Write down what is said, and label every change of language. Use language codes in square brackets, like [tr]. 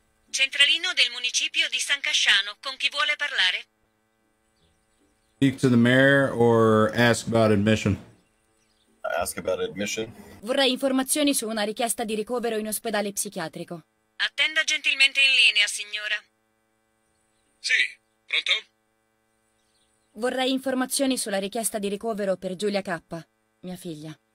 [it] Centralino del municipio di San Casciano, con chi vuole parlare? [en] Speak to the mayor or ask about admission? Ask about admission. [it] Vorrei informazioni su una richiesta di ricovero in ospedale psichiatrico. Attenda gentilmente in linea, signora. Sì, pronto? Vorrei informazioni sulla richiesta di ricovero per Giulia K, mia figlia.